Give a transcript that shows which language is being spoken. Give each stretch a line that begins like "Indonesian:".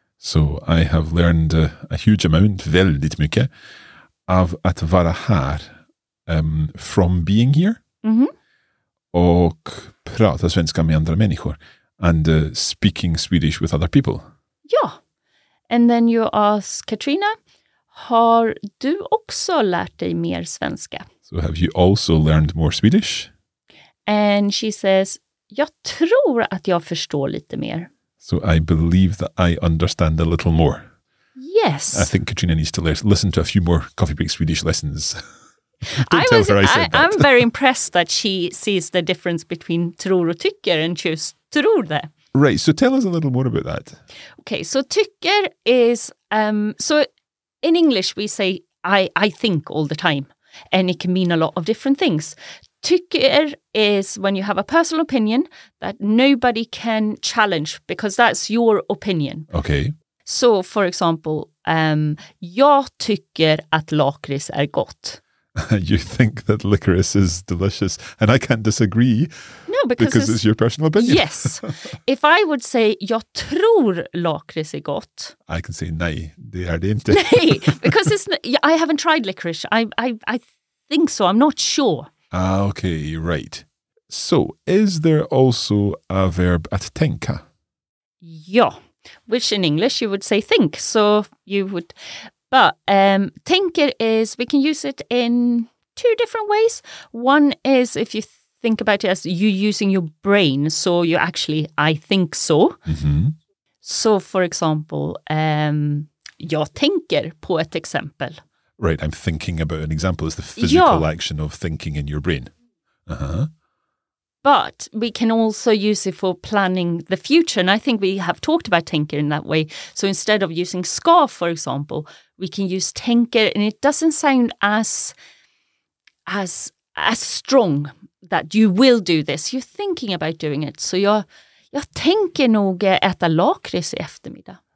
English: So I have learned a huge amount,
Swedish: väldigt mycket, av att vara här
English: from being here
Swedish: och prata svenska med andra människor
English: and speaking Swedish with other people. Ja, and then you ask Katrina,
Swedish: har du också lärt dig mer svenska?
English: So have you also learned more Swedish? And she says,
Swedish: jag tror att jag förstår lite mer.
English: So I believe that I understand a little more. Yes. I think Katrina needs to listen to a few more Coffee Break Swedish lessons. I'm very impressed that she sees the difference between tror och tycker and choose tror det. Right, so tell us a little more about that. Okay, so tycker is, so in English we say I think all the time. And it can mean a lot of different things. Tycker is when you have a personal opinion that nobody can challenge because that's your opinion. Okay. So, for example,
Swedish: jag tycker att lakrits är gott.
English: You think that licorice is delicious and I can't disagree. No, because it's your personal opinion. Yes. If I would say
Swedish: jag tror lakrits är gott.
English: I can say
Swedish: nej, det är det inte.
English: Nej, because I haven't tried licorice. I think so. I'm not sure. Ah, okay, right. So, is there also a verb att tänka? Ja, which in English you would say think. So, you would, but tänker is, we can use it in two different ways. One is if you think about it as you using your brain. So, you actually, I think so. Mm-hmm. So, for example,
Swedish: jag tänker på ett exempel.
English: Right, I'm thinking about an example. It's the physical action of thinking in your brain. Uh-huh. But we can also use it for planning the future. And I think we have talked about tänker in that way. So instead of using ska, for example, we can use tänker. And it doesn't sound as strong that you will do this. You're thinking about doing it.
Swedish: So jag tänker nog äta lakrits i eftermiddag.